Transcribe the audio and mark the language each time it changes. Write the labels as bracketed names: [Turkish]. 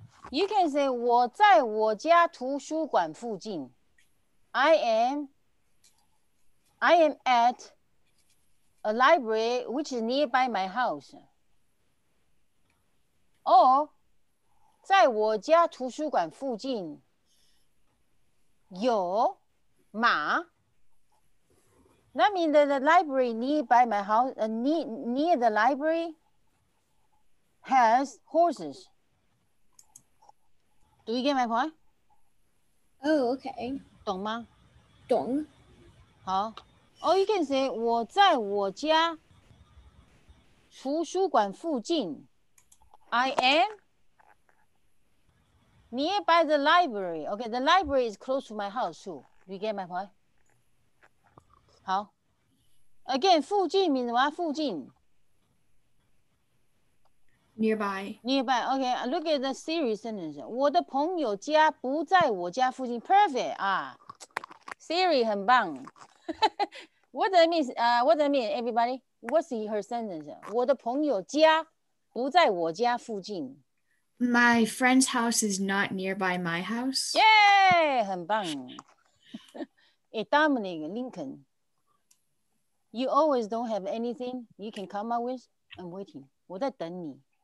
[English] You can say [Chinese] 我在我家图书馆附近. [English] I am at a library which is nearby my house. [Chinese] Or 在我家图书馆附近有马. [English] That means that the library nearby my house, near the library, has horses. Do you get my point? Oh, okay. [Chinese] 懂吗? 懂. [English] 好.Or you can say, [Chinese] 我在我家图书馆附近, [English] I am nearby the library. Okay, the library is close to my house too. Do you get my point? 好.Again, 附近 means what? 附近. Nearby. Okay, look at the Siri sentence. [Chinese] 我的朋友家不在我家附近. [English] Perfect. Ah, Siri [Chinese] 很棒. [English] What does it mean, everybody? What's her sentence? [Chinese] 我的朋友家不在我家附近. [English] My friend's house is not nearby my house. Yay! [Chinese] 很棒. [English] Hey, Dominic, Lincoln. You always don't have anything you can come up with. I'm waiting. [Chinese] 我在等你.